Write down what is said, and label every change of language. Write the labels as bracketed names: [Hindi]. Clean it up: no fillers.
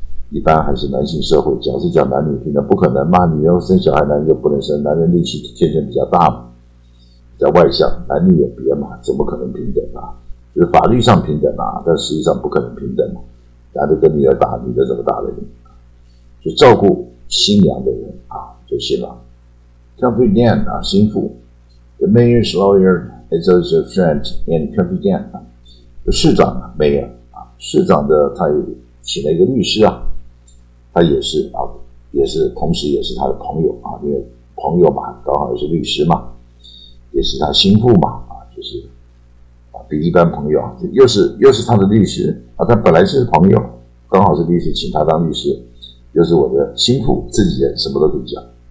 [Chinese] 一般还是男性社会，假设讲男女平等，不可能嘛？女人生小孩，男人就不能生，男人力气天生比较大嘛，比较外向，男女也别嘛，怎么可能平等啊？就是法律上平等啊，但实际上不可能平等嘛。男的跟女儿打，女的怎么打的？就照顾新娘的人啊，就新郎。 Confidant 啊，心腹。 [English] The mayor's lawyer is also a friend and confidant 啊， [Chinese] 就市长啊 [English] ，mayor 啊， [Chinese] 市长的他有。请了一个律师啊，他也是啊，也是同时也是他的朋友啊，因为朋友嘛，刚好也是律师嘛，也是他心腹嘛啊，就是啊，比一般朋友啊，又是他的律师啊，他本来是朋友，刚好是律师，请他当律师，又是我的心腹，自己也什么都可以讲。